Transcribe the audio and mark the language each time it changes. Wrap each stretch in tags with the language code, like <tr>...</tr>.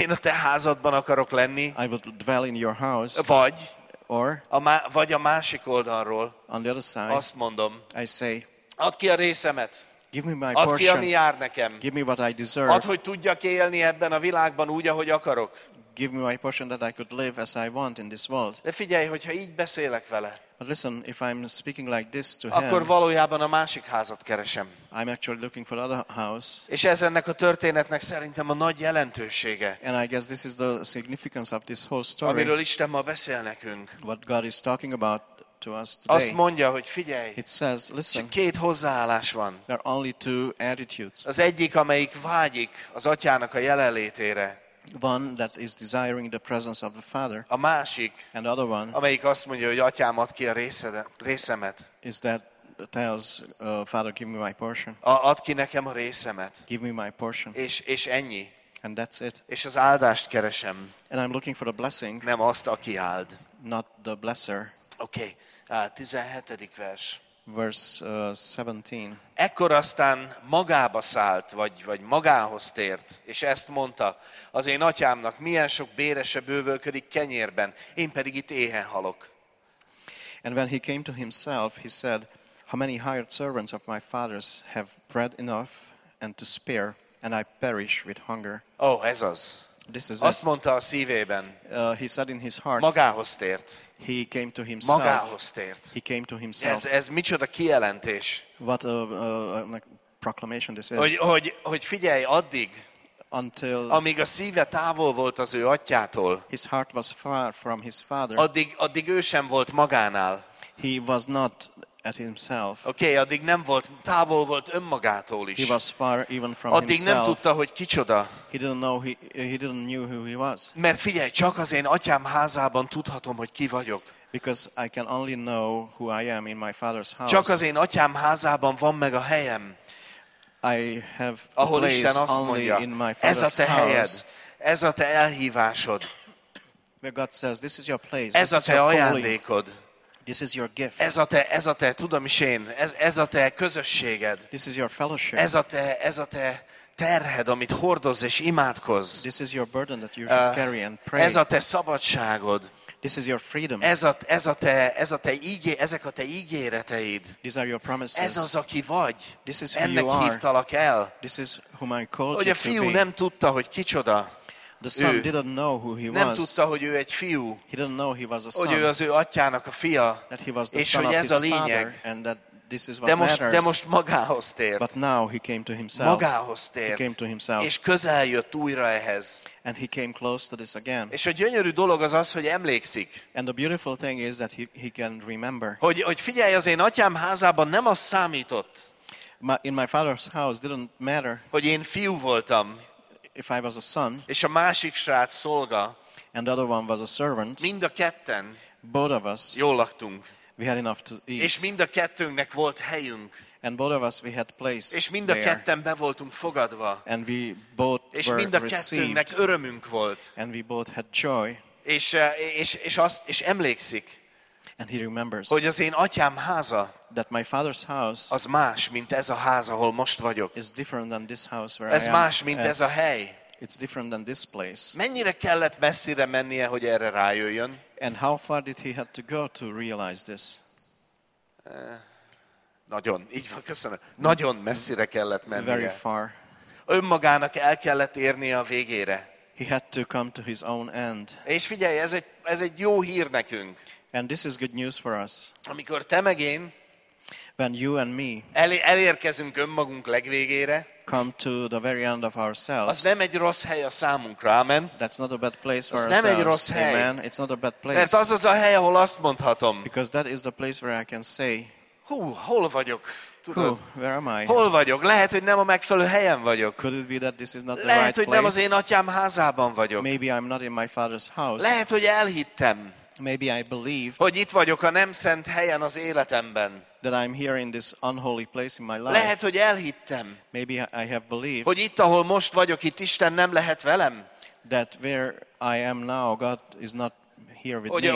<hu>Én a te házadban akarok lenni.</hu> <en>I would dwell in your house.</en> <hu>Vagy.</hu> <en>Or.</en> <hu>Vagy a másik oldalról.</hu> <en>On the other side.</en> <hu>Azt mondom.</hu> <en>I say.</en> <hu>Add ki a részemet.</hu> <en>Give me my portion.</en> <hu>Add ki, ami jár nekem.</hu> <en>Give me what I deserve.</en> <hu>Add, hogy tudjak élni ebben a világban úgy, ahogy akarok.</hu> <en>Give me my portion that I could live as I want in this world.</en> <hu>De figyelj, hogyha így beszélek vele.</hu> <en>But listen, if I'm speaking like this to</en> <hu>akkor</hu> <en>him,</en> <hu>valójában a másik házat keresem.</hu> <en>I'm actually looking for another house.</en> <hu>És ez ennek a történetnek szerintem a nagy jelentősége.</hu> <en>And I guess this is the significance of this whole story.</en> <hu>Amiről Isten ma beszél nekünk.</hu> <en>What God is talking about. To us today.</en> <hu>Azt mondja, hogy figyelj.</hu> <en>It says, listen.</en> <hu>Két hozzáállás van.</hu> <en>There are only two attitudes.</en> <hu>Az egyik, amelyik vágyik az atyának a jelenlétére.</hu> <en>One that is desiring the presence of the Father.</en> <hu>A másik.</hu> <en>And the other one.</en> <hu>Amelyik azt mondja, hogy atyám, add ki a részemet.</hu> <en>Is that tells Father, give me my portion.</en> <hu>Add ki nekem a részemet.</hu> <en>Give me my portion.</en> <hu>És ennyi.</hu> <en>And that's it.</en> <hu>És az áldást keresem.</hu> <en>And I'm looking for a blessing.</en> <hu>Nem azt, aki áld.</hu> <en>Not the blesser.</en> <hu>Oké, okay. 17. vers.</hu> <en>Verse 17.</en> <hu>Ekkor aztán magába szállt, vagy magához tért, és ezt mondta, az én atyámnak milyen sok bérese bővölködik kenyérben, én pedig itt éhen halok.</hu> <en>And when he came to himself, he said, how many hired servants of my father's have bread enough and to spare, and I perish with hunger.</en> <hu>Oh, ez az.</hu> <en>This is</en> <hu>azt mondta a szívében.</hu> <en>He said in his heart.</en> <hu>Magához tért.</hu> <en>He came to himself.</en> <hu>Magához tért.</hu> <en>He came to himself.</en> <hu>Ez micsoda kijelentés.</hu> <en>What a proclamation this is.</en> <hu>Hogy figyelj addig,</hu> <en>until</en> <hu>amíg a szíve távol volt az ő atyától.</hu> <en>His heart was far from his father.</en> <hu>Addig ő sem volt magánál.</hu> <en>He was not at himself.</en> <hu>Okay, addig nem volt távol volt önmagától is.</hu> <en>He was far even from</en> <hu>addig</hu> <en>himself.</en> <hu>Nem tudta, hogy kicsoda.</hu> <en>He didn't know who he was.</en> <hu>Mert figyelj, csak az én atyám házában tudhatom, hogy ki vagyok.</hu> <en>Because I can only know who I am in my father's house.</en> <hu>Csak az én atyám házában van meg a helyem.</hu> <en>I have</en> <hu>ahol</hu> <en>place</en> <hu>Isten azt</hu> <en>only</en> <hu>mondja,</hu> <en>in my father's</en> <hu>ez a te</hu> <en>house.</en> <hu>Helyed, ez a te elhívásod.</hu> <en>Where God says, this is your place.</en> <hu>Ez</hu> <en>this</en> <hu>a te ajándékod.</hu> <en>This is your gift.</en> <hu>Ez a te tudom is én. Ez a te közösséged.</hu> <en>This is your fellowship.</en> <hu>Ez a te terhed, amit hordoz és imádkoz.</hu> <en>This is your burden that you should carry and pray.</en> <hu>Ez a te szabadságod.</hu> <en>This is your freedom.</en> <hu>Ezek a te ígéreteid.</hu> <en>These are your promises.</en> <hu>Ez az, aki vagy.</hu> <en>This is who</en> <hu>Ennek</hu> <en>you are.</en> <hu>Ennek hívtalak el.</hu> <en>This is whom I called you to be.</en> <hu>A fiú nem tudta, hogy kicsoda.</hu> <en>The son didn't know who he was.</en> <hu>Nem tudta, hogy ő egy fiú.</hu> <en>He didn't know he was a son.</en> <hu>Hogy ő az ő atyának a fia.</hu> <en>That he was the</en> <hu>és</hu> <en>son</en> <hu>hogy</hu> <en>of</en> <hu>ez</hu> <en>his</en> <hu>a lényeg.</hu> <en>Father, and that this is what</en> <hu>de most,</hu> <en>matters.</en> <hu>De most magához tért.</hu> <en>But now he came to himself.</en> <hu>Magához tért.</hu> <en>He came to himself.</en> <hu>És közel jött újra ehhez.</hu> <en>And he came close to this again.</en> <hu>És a gyönyörű dolog az az, hogy emlékszik.</hu> <en>And the beautiful thing is that he can remember.</en> <hu>Hogy figyelj, az én atyám házában nem az számított.</hu> <en>In my father's house didn't matter.</en> <hu>Hogy én fiú voltam.</hu> <en>If I was a son,</en> <hu>és a másik srác szolga,</hu> <en>and the other one was a servant,</en> <hu>mind a ketten,</hu> <en>both of us,</en> <hu>jól laktunk,</hu> <en>we had enough to eat,</en> <hu>és mind a kettőnknek volt helyünk,</hu> <en>and both of us we had place,</en> <hu>és mind a</hu> <en>there,</en> <hu>ketten be voltunk fogadva,</hu> <en>and we both</en> <hu>és</hu> <en>were</en> <hu>mind a</hu> <en>received,</en> <hu>kettőnknek örömünk volt,</hu> <en>and we both had joy,</en> <hu>és emlékszik,</hu> <en>and he remembers,</en> <hu>hogy az én atyám háza,</hu> <en>that my father's house</en> <hu>az más, mint ez a ház, ahol most vagyok.</hu> <en>Is different than this house where</en> <hu>ez</hu> <en>I am.</en> <hu>Más, mint ez a hely.</hu> <en>It's different than this place.</en> <hu>Mennyire kellett messzire mennie, hogy erre rájöjjön?</hu> <en>And how far did he have to go to realize this?</en> <hu>Nagyon, így van, köszönöm. Nagyon messzire kellett mennie.</hu> <en>Very far.</en> <hu>Önmagának el kellett érnie a végére.</hu> <en>He had to come to his own end.</en> <hu>És figyelj, ez egy jó hír nekünk.</hu> <en>And this is good news for us.</en> <hu>Amikor te meg én,</hu> <en>when you and me</en> <hu>elérkezünk önmagunk legvégére,</hu> <en>come to the very end of ourselves,</en> <hu>az nem egy rossz hely a számunkra, amen.</hu> <en>That's not a bad place for</en> <hu>az</hu> <en>ourselves,</en> <hu>nem egy rossz hely.</hu> <en>Amen. It's not a bad place.</en> <hu>Mert az a hely, ahol azt mondhatom.</hu> <en>Because that is the place where I can say,</en> <hu>hú, hol vagyok?</hu> <en>Hú, where am I?</en> <hu>Hol vagyok? Lehet, hogy nem a megfelelő helyen vagyok.</hu> <en>Could it be that this is not the</en> <hu>lehet,</hu> <en>right</en> <hu>hogy</hu> <en>place?</en> <hu>Nem az én atyám házában vagyok.</hu> <en>Maybe I'm not in my father's house.</en> <hu>Lehet, hogy elhittem.</hu> <en>Maybe I believe,</en> <hu>hogy itt vagyok a nem szent helyen az életemben.</hu> <en>That I'm here in this unholy place in my life.</en> <hu>Lehet, hogy elhittem.</hu> <en>Maybe I have believed.</en> <hu>Hogy itt, ahol most vagyok, itt Isten nem lehet velem.</hu> <en>That where I am now, God is not here with</en>